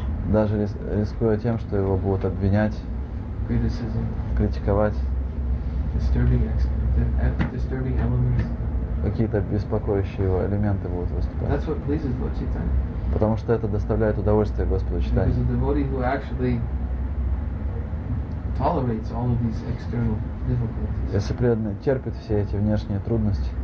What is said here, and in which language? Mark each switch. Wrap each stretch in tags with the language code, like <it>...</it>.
<ru>даже рискуя тем, что его будут обвинять,</ru> <en>criticism,</en> <ru>критиковать,</ru> <en>disturbing elements,</en> <ru>какие-то беспокоящие его элементы будут выступать.</ru> <en>That's what pleases Lord Chaitanya.</en> <ru>Потому что это доставляет удовольствие Господу Чайтанье.</ru> <en>Because a devotee who actually tolerates all of these external difficulties,</en> <ru>если преданный терпит все эти внешние трудности,</ru>